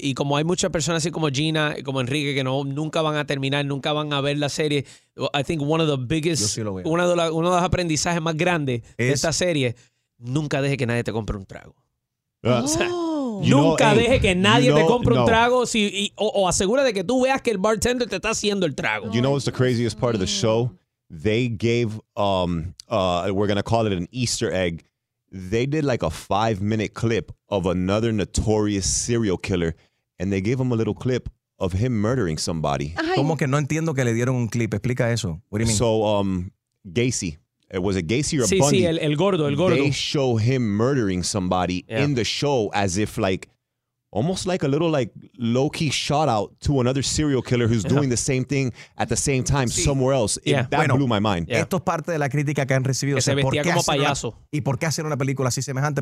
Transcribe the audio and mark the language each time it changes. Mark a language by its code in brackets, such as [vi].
[es] Y como hay muchas personas así como Gina, como Enrique, que nunca van a terminar, nunca van a ver la serie. [en] I think one of the biggest, [es] uno de los aprendizajes más grandes de esta serie, nunca deje que nadie te compre un trago. Oh. O sea, Nunca deje que nadie te compre un trago o asegura de que tú veas que el bartender te está haciendo el trago. [en] You know what's the craziest part of the show? They gave, we're going to call it an Easter egg. They did like a 5-minute clip of another notorious serial killer, and they gave him a little clip of him murdering somebody. [es] ¿Cómo que no entiendo que le dieron un clip? Explica eso. [en] What do you mean? So, Gacy. Was it Gacy or [es] sí, [en] Bundy? [es] Sí, el gordo, el gordo. [en] They show him murdering somebody in the show as if like, almost like a little like low-key shout-out to another serial killer who's doing the same thing at the same time somewhere else. That blew my mind. [es] Esto es parte de la crítica que han recibido. Que se vestía como payaso. ¿Y por qué hacer una película así semejante?